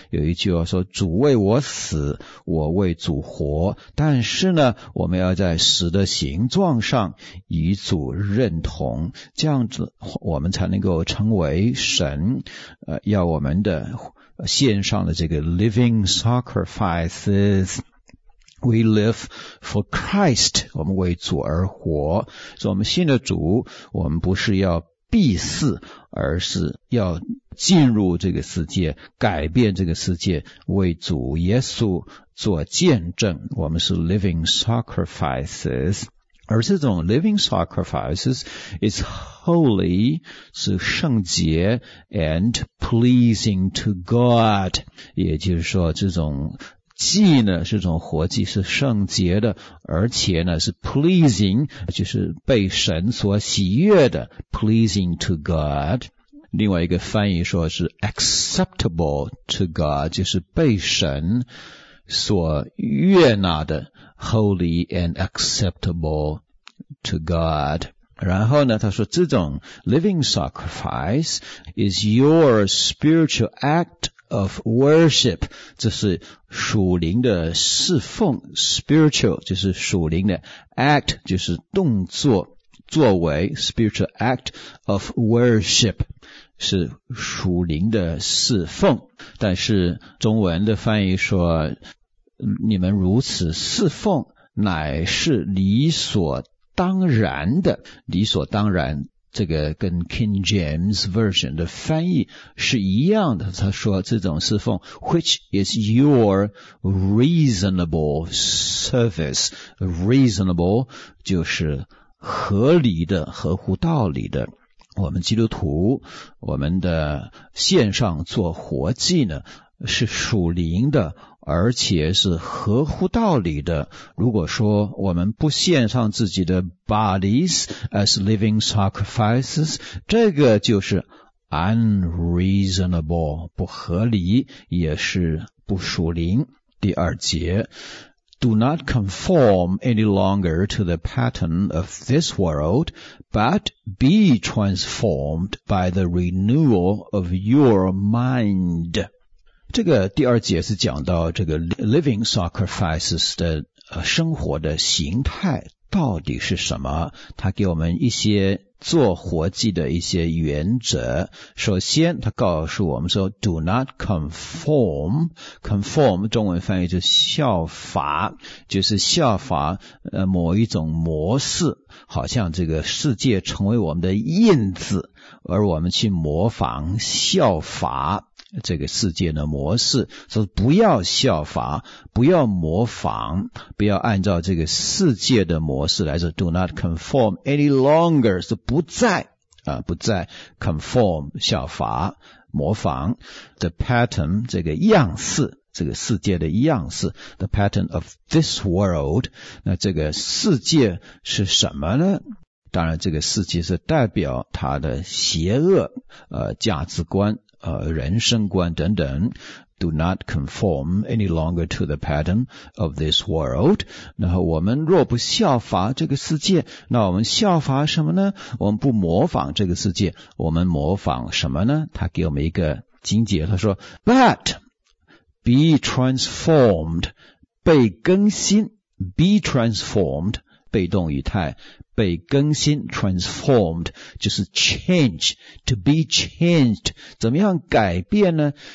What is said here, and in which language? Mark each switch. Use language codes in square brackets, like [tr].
[zh] 有一句话说，主为我死，我为主活。但是呢，我们要在死的形状上与主认同，这样子我们才能够成为神要我们的献上的这个 [en] living sacrifices。 We live for Christ, [zh] 我们为主而活。所以我们信的主，我们不是要必死，而是要进入这个世界，改变这个世界，为主耶稣做见证。我们是 [en] living sacrifices。 [zh] 而这种 [en] living sacrifices is holy, [zh] 是圣洁 [en] and pleasing to God。 [zh] 也就是说这种祭呢是种活祭，是圣洁的，而且呢是 pleasing, 就是被神所喜悦的， [en] pleasing to God。 [zh] 另外一个翻译说是 [en] acceptable to God, [zh] 就是被神所悦纳的， [en] holy and acceptable to God。 [zh] 然后呢他说这种 [en] living sacrifice is your spiritual act of worship, [zh] 这是属灵的侍奉。 spiritual 就是属灵的， act 就是动作作为， [en] spiritual act of worship [zh] 是属灵的侍奉。但是中文的翻译说，你们如此侍奉乃是理所当然的。理所当然这个跟 King James Version 的翻译是一样的，他说这种侍奉 [en] which is your reasonable service, [zh] reasonable 就是合理的，合乎道理的。我们基督徒我们的献上做活祭呢是属灵的，而且是合乎道理的。如果说我们不献上自己的 [en] bodies as living sacrifices, [zh] 这个就是 unreasonable, 不合理，也是不属灵。 [en] 第二节， Do not conform any longer to the pattern of this world, but be transformed by the renewal of your mind. [zh] 这个第二节是讲到这个 [en] living sacrifices [zh] 的生活的形态到底是什么，他给我们一些做活祭的一些原则。首先他告诉我们说 [en] do not conform， [zh] conform 中文翻译就是效法，就是效法某一种模式，好像这个世界成为我们的印子，而我们去模仿效法这个世界的模式，说不要效法，不要模仿，不要按照这个世界的模式来说 [en] do not conform any longer， [zh] 说不再不再 conform 效法模仿 the pattern 这个样式，这个世界的样式 [en] the pattern of this world， [zh] 那这个世界是什么呢？当然这个世界是代表它的邪恶价值观人生观等等。 [en] Do not conform any longer to the pattern of this world， [zh] 然后我们若不效法这个世界，那我们效法什么呢？我们不模仿这个世界，我们模仿什么呢？他给我们一个经节，他说 [en] But be transformed， [zh] 被更新， [en] be transformed [zh] 被动语态，被更新 transformed 就是 change， [en] to be changed [zh] 怎么样改变呢？